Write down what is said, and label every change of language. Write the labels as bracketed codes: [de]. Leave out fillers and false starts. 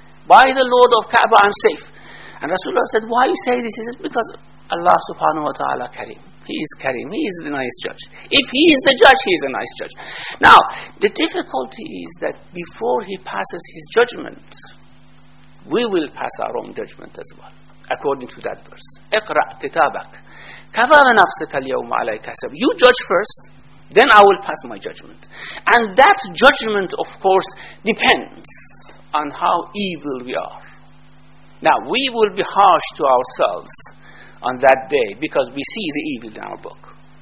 [en] by the Lord of Kaaba, I'm safe. And Rasulullah said, why you say this? He said, because Allah subhanahu wa ta'ala kareem. He is kareem. He is the nice judge. If he is the judge, he is a nice judge. Now, the difficulty is that before he passes his judgment, we will pass our own judgment as well, according to that verse. [ar] اقرأ كتابك كفى نفسك اليوم عليك حساب. [en] You judge first, then I will pass my judgment. And that judgment, of course, depends on how evil we are. Now, we will be harsh to ourselves on that day because we see the evil in our book.